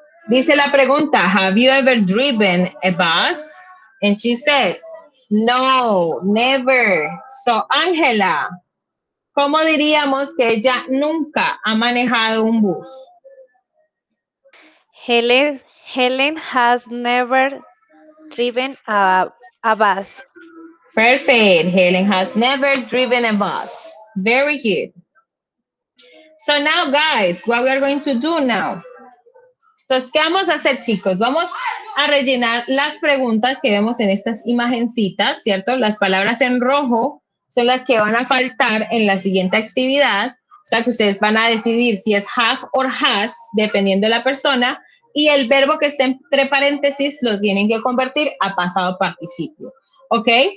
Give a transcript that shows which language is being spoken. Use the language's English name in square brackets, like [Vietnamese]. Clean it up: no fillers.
[Spanish] Dice la pregunta, [English] have you ever driven a bus? And she said, no, never. [Spanish] So, Angela, ¿cómo diríamos que ella nunca ha manejado un bus? [English] Helen has never driven a bus. Perfect. Helen has never driven a bus. Very good. So now, guys, what we are going to do now. [Spanish] Entonces, ¿qué vamos a hacer, chicos? Vamos a rellenar las preguntas que vemos en estas imagencitas, ¿cierto? Las palabras en rojo son las que van a faltar en la siguiente actividad. O sea, que ustedes van a decidir si es have or has, dependiendo de la persona. Y el verbo que esté entre paréntesis lo tienen que convertir a pasado participio. ¿Ok?